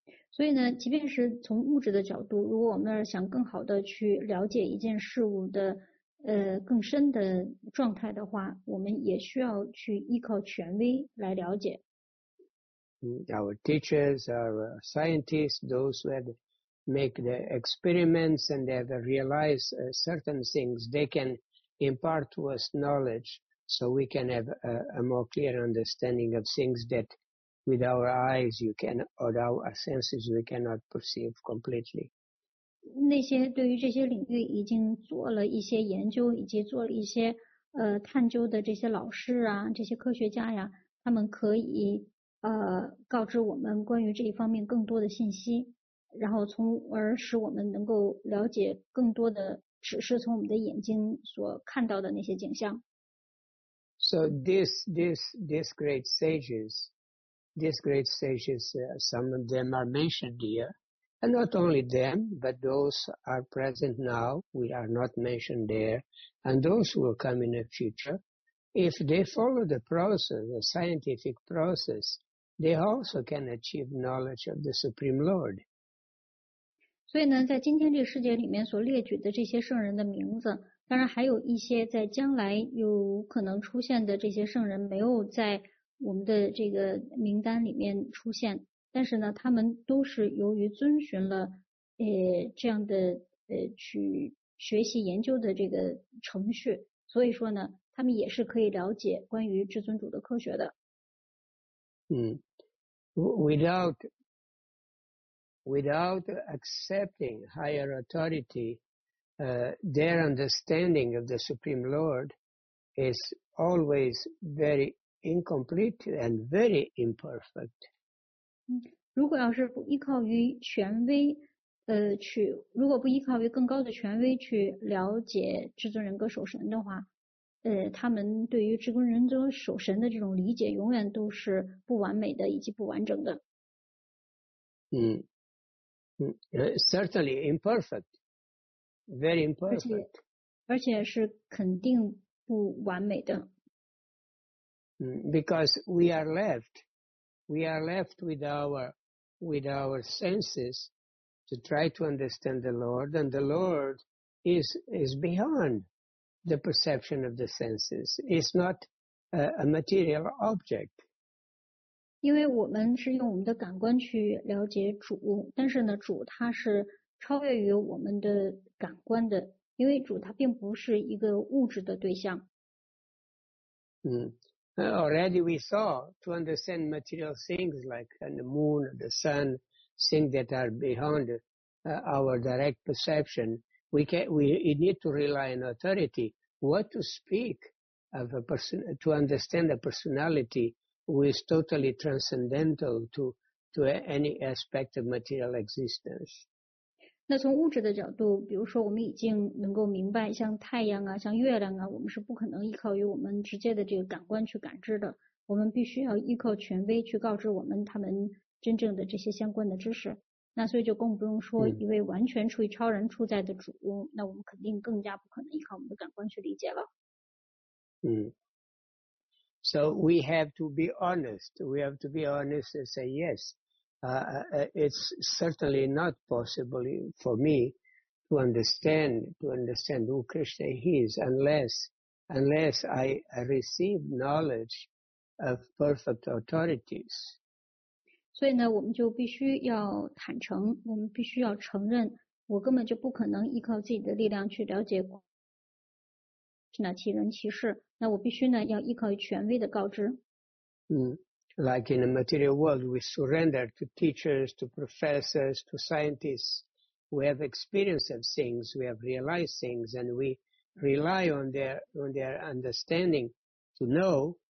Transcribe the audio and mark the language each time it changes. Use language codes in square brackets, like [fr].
[zh] 所以呢，即便是从物质的角度，如果我们想更好的去了解一件事物的更深的状态的话，我们也需要去依靠权威来了解。 [en] Our teachers, our scientists, those who have make the experiments and they have realized certain things, they can impart to us knowledge so we can have a more clear understanding of things that with our eyes you can, or our senses we cannot perceive completely. [zh] 那些对于这些领域已经做了一些研究以及做了一些探究的这些老师啊，这些科学家呀，他们可以告知我们关于这一方面更多的信息，然后从而使我们能够了解更多的只是从我们的眼睛所看到的那些景象。 [en] So these great sages, these great sages, some of them are mentioned here, and not only them, but those are present now, we are not mentioned there, and those who will come in the future, if they follow the process, the scientific process, they also can achieve knowledge of the Supreme Lord. [zh] 所以呢，在今天这个世界里面所列举的这些圣人的名字，当然还有一些在将来有可能出现的这些圣人没有在我们的这个名单里面出现，但是呢，他们都是由于遵循了这样的去学习研究的这个程序，所以说呢，他们也是可以了解关于至尊主的科学的。 [en] Without accepting higher authority, their understanding of the Supreme Lord is always very incomplete and very imperfect. [zh] 如果要是不依靠于权威，如果不依靠于更高的权威去了解至尊人格守神的话，他们对于至公仁者守神的这种理解永远都是不完美的以及不完整的。 [en] Certainly imperfect. Very imperfect. [zh] 而且是肯定不完美的。 [en] Because we are left with our senses to try to understand the Lord, and the Lord is beyond the perception of the senses. It's not a material object. [zh] 因为我们是用我们的感官去了解主，但是呢，主他是超越于我们的感官的，因为主他并不是一个物质的对象。 [en] Already we saw to understand material things like the moon, the sun, things that are beyond our direct perception, we need to rely on authority. What to speak of a person, to understand a personality who is totally transcendental to any aspect of material existence. [zh] 那从物质的角度，比如说我们已经能够明白像太阳啊，像月亮啊，我们是不可能依靠于我们直接的这个感官去感知的，我们必须要依靠权威去告知我们他们真正的这些相关的知识。那所以就更不用说一位完全处于超然处在的主，那我们肯定更加不可能依靠我们的感官去理解了。 [en] So we have to be honest. We have to be honest and say yes. It's certainly not possible for me to understand who Krishna is unless I receive knowledge of perfect authorities. [zh] 所以呢，我们就必须要坦诚，我们必须要承认，我根本就不可能依靠自己的力量去了解Krishna其人其事。那我必须呢，要依靠权威的告知。 [en] Like in the material world, we surrender to teachers, to professors, to scientists. We have experience of things, we have realized things, and we rely on their understanding to know.